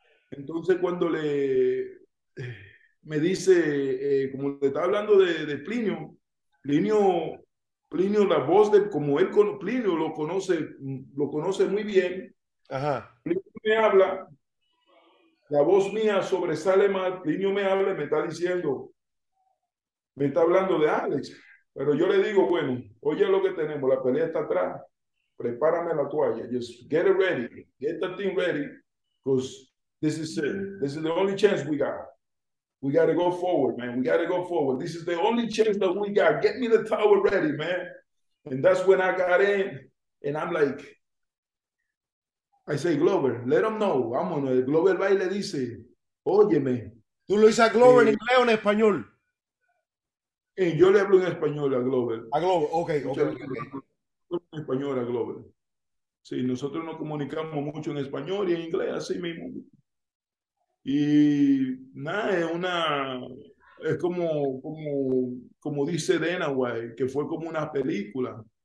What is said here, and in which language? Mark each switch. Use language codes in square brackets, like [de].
[es] Entonces cuando me dice, como te estaba hablando de Plinio, la voz de como él con Plinio lo conoce muy bien. Plinio me habla, la voz mía sobresale más. Plinio me habla y me está hablando de Alex. Pero yo le digo, bueno, oye lo que tenemos, la pelea está atrás, prepárame la toalla. [en] Just get it ready, get the thing ready, because this is it. This is the only chance we got. We gotta go forward, man. We gotta go forward. This is the only chance that we got. Get me the towel ready, man. And that's when I got in, and I'm like, I say, Glover, let him know. [es] Vámonos. Glover va y le dice, óyeme, Tú lo dices a Glover en inglés o en español. Yo le hablo en español a Glover. A Glover, okay. En español a Glover. Sí, nosotros nos comunicamos mucho en español y en inglés, así mismo. Y nada, es una. Es como dice Dana White, que fue como una película.